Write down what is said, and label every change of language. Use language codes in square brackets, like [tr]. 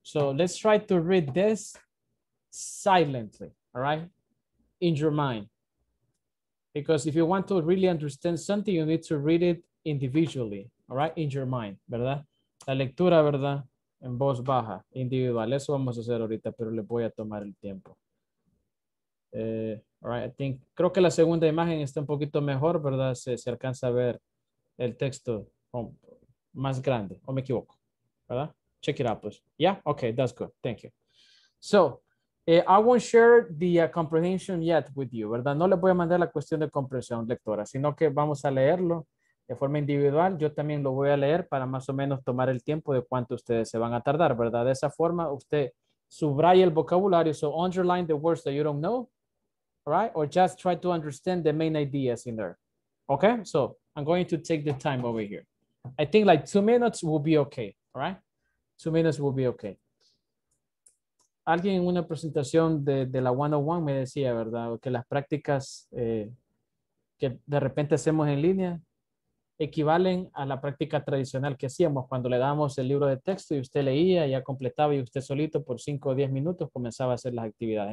[en] So let's try to read this silently, all right, in your mind. Because if you want to really understand something, you need to read it individually, all right, in your mind, [es] ¿verdad? La lectura, ¿verdad? En voz baja, individual. Eso vamos a hacer ahorita, pero le voy a tomar el tiempo. [en] All right, I think, [es] creo que la segunda imagen está un poquito mejor, ¿verdad? Se alcanza a ver el texto más grande, o me equivoco, ¿verdad? [en] Check it out, please. Yeah, okay, that's good, thank you. So, I won't share the comprehension yet with you, [es] ¿verdad? No le voy a mandar la cuestión de comprensión, lectora, sino que vamos a leerlo de forma individual. Yo también lo voy a leer para más o menos tomar el tiempo de cuánto ustedes se van a tardar, ¿verdad? De esa forma, usted subraya el vocabulario, [en] so underline the words that you don't know, right? Or just try to understand the main ideas in there. Okay, so I'm going to take the time over here. I think like 2 minutes will be okay, all right? 2 minutes will be okay. [es] Alguien en una presentación de la 101 me decía, ¿verdad? Que las prácticas que de repente hacemos en línea equivalen a la práctica tradicional que hacíamos cuando le dábamos el libro de texto y usted leía, ya completaba y usted solito por 5 o 10 minutos comenzaba a hacer las actividades.